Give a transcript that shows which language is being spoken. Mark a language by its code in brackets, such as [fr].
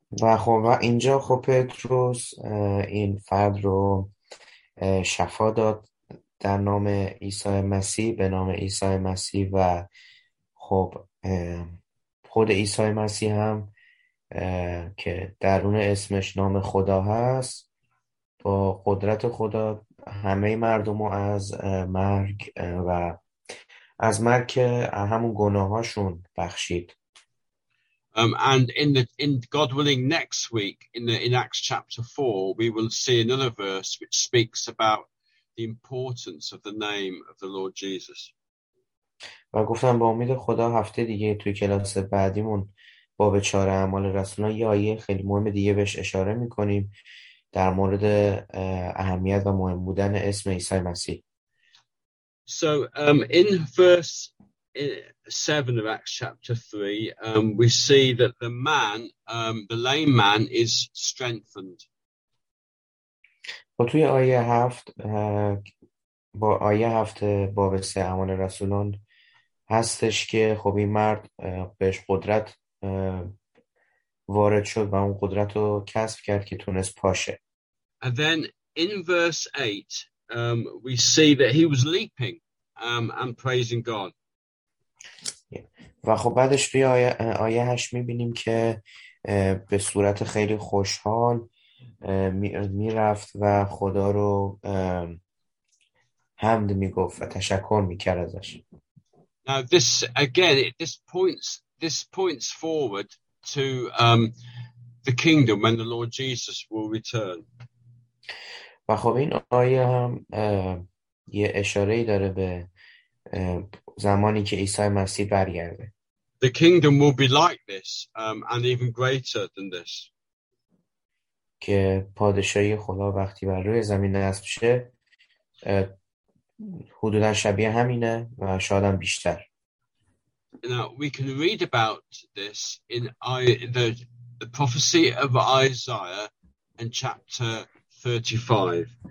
[fa] و خب اینجا خب پتروس این فرد رو شفا داد در نام عیسی مسیح، به نام عیسی مسیح، و خب خود عیسی مسیح هم که درون اسمش نام خدا هست با قدرت خدا همه مردم رو از مرگ و از مرگ همون گناهاشون بخشید. [en] And in God willing, next week in Acts chapter 4, we will see another verse which speaks about the importance of the name of the Lord Jesus. [fa] و گفتم با امید خدا هفته دیگه توی کلاس بعدیمون باب 4 اعمال رسولان یه آیه خیلی مهم دیگه بهش اشاره میکنیم در مورد اهمیت و مهم بودن اسم عیسی مسیح. [en] So in verse 7 of Acts chapter 3, we see that the man, the lame man, is strengthened. [fa] با توی آیه 7 با آیه 7 باب 3 اعمال رسولان هستش که خب این مرد بهش قدرت وارد شد و اون قدرت رو کسب کرد که تونست پاشه. [en] And then in verse 8, we see that he was leaping and praising God. [fa] و خب بعدش توی آیه 8 می‌بینیم که به صورت خیلی خوشحال می‌رفت و خدا رو حمد می‌گفت و تشکر می‌کرد ازش. [en] Now this again this points forward to the kingdom when the Lord Jesus will return. [fa] و خب این آیه هم یه اشاره‌ای داره به زمانی که عیسی مسیح برگرده. [en] The kingdom will be like this and even greater than this. [fa] که پادشاهی خدا وقتی بر روی زمین نصب شه حدودا شبیه همینه و شاید هم بیشتر. [en] Now we can read about this in the prophecy of Isaiah in chapter 35.